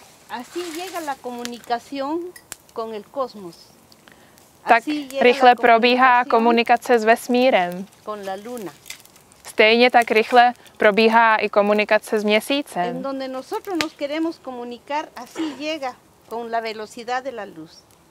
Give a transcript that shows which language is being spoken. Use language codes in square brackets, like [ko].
[es] Así llega la comunicación con el cosmos. [cs] Tak rychle probíhá komunikace s vesmírem. [es] Con la luna. [cs] Stejně tak rychle probíhá i komunikace s měsícem. [es] En donde nosotros nos queremos comunicar, así llega con la velocidad de la luz.